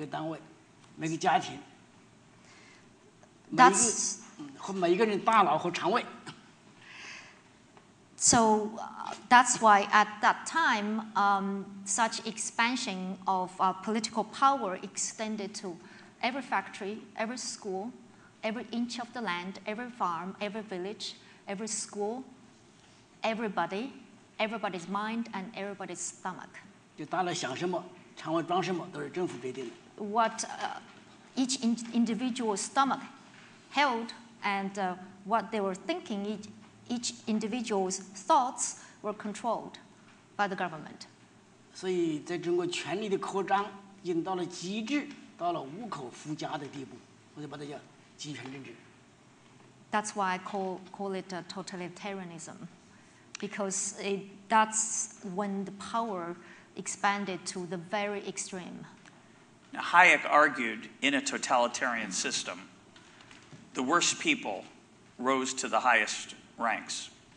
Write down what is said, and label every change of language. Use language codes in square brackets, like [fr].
[zh] 所以说我当年的中国政治权力的扩张到每一个田地、田野、每个车间、每个学校、每个单位、每个家庭， 每个和每一个人大脑和肠胃。 [en] So that's why at that time, such expansion of political power extended to every factory, every school, every inch of the land, every farm, every village, every school, everybody, everybody's mind, and everybody's stomach. [zh] 就大脑想什么，肠胃装什么，都是政府决定的。 [en] What each individual stomach held and what they were thinking, each individual's thoughts were controlled by the government. [zh] 所以在中国权力的扩张引到了极致，到了无可复加的地步，我就把它叫集权政治。 [en] That's why I call it a totalitarianism, because that's when the power expanded to the very extreme. Now, Hayek argued in a totalitarian system, the worst people rose to the highest ranks.